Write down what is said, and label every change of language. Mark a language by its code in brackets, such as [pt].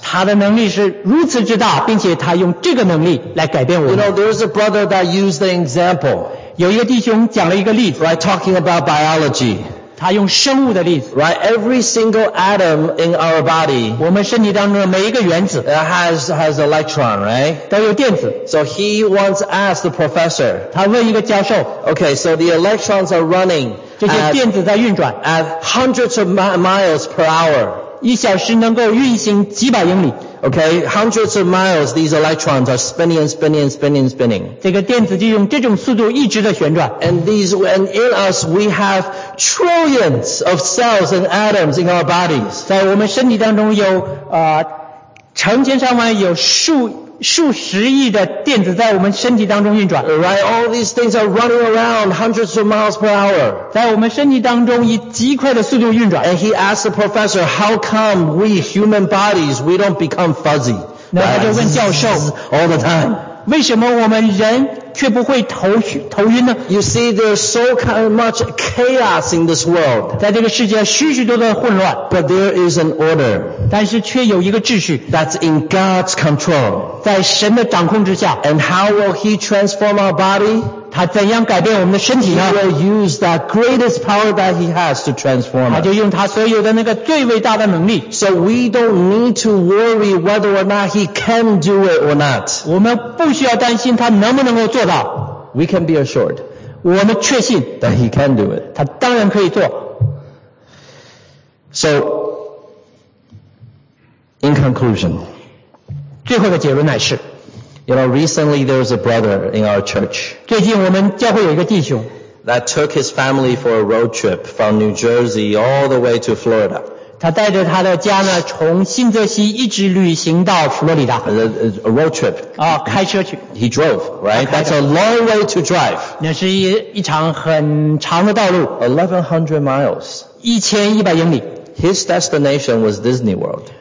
[zh] 他的能力是如此之大，并且他用这个能力来改变我们。 [en] You know, there's a brother that used the example. [zh] 有一个弟兄讲了一个例子。 [en] Right, talking about biology. [zh] 他用生物的例子。 [en] Right, every single atom in our body. [zh] 我们身体当中的每一个原子。 [en] Has electron, right? [zh] 都有电子。 [en] So he once asked the professor. [zh] 他问一个教授。 [en] Okay, so the electrons are running. [zh] 这些电子在运转。 [en] At hundreds of miles per hour. [zh] 一小时能够运行几百英里。 [en] Okay, hundreds of miles, these electrons are spinning and spinning and spinning and spinning. [zh] 这个电子就用这种速度一直的旋转。 [en] And in us, we have trillions of cells and atoms in our bodies. [zh] 在我们身体当中有成千上万有数十亿的电子在我们身体当中运转。 [en] Right, all these things are running around hundreds of miles per hour. [zh] 在我们身体当中以极快的速度运转。 [en] And he asked the professor, how come we human bodies, we don't become fuzzy? [zh] 那他就问教授。 [en] All the time. [zh] 为什么我们人却不会头晕呢？ [en] You see, there's so kind of much chaos in this world. [zh] 在这个世界许许多多的混乱。 [en] But there is an order. [zh] 但是却有一个秩序。 [en] That's in God's control. [zh] 在神的掌控之下。 [en] And how will he transform our body? [zh] 他怎样改变我们的身体呢？ [en] He will use that greatest power that he has to transform us. [zh] 他就用他所有的那个最伟大的能力。 [en] So we don't need to worry whether or not he can do it or not. [zh] 我们不需要担心他能不能够做到。 [en] We can be assured. [zh] 我们确信。 [en] That he can do it. [zh] 他当然可以做。 [en] So, in conclusion. [zh] 最后的结论乃是。 [en] You know, recently there was a brother in our church. [zh] 最近我们教会有一个弟兄。 [en] That took his family for a road trip from New Jersey all the way to Florida. [zh] 他带着他的家呢，从新泽西一直旅行到佛罗里达。 [en] A road trip. [zh] 啊，开车去。 [en] He drove, right? That's a long way to drive. [zh] 那是一场很长的道路。 [en] 1100 miles. [zh] 1100英里。 [en] His destination was Disney World.